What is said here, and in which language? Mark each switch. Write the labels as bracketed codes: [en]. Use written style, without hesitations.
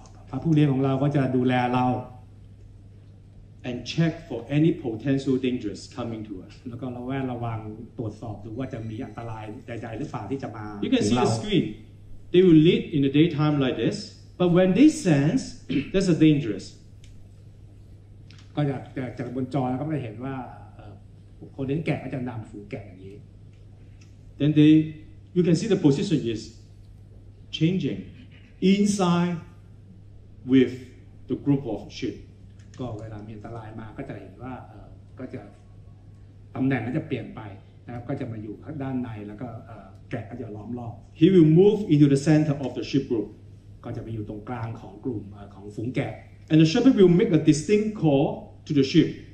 [th] พระผู้เลี้ยงของเราก็จะดูแลเรา [en] and check for any potential dangers coming to us [th] แล้วก็ระแวดระวังตรวจสอบดูว่าจะมีอันตรายใดๆหรือเปล่าที่จะมา [en] You can see the screen They will lead in the daytime like this but when they sense there's a dangerous [th] ก็จากบนจอก็จะเห็นว่าคนเลี้ยงแกะก็จะนำฝูงแกะอย่างนี้ [en] Then they you can see the position is changing insideWith the group of sheep, [th] ก็เวลามีอันตรายมาก็จะเห็นว่าก็จะตำแหน่งก็จะเปลี่ยนไปนะครับก็จะมาอยู่ด้านในแล้วก็ แกะก็จะล้อมรอบ [en] He will move into the center of the sheep group [th] ก็จะไปอยู่ตรงกลางของกลุ่มของฝูงแกะ [en] And the shepherd will make a distinct call to the sheep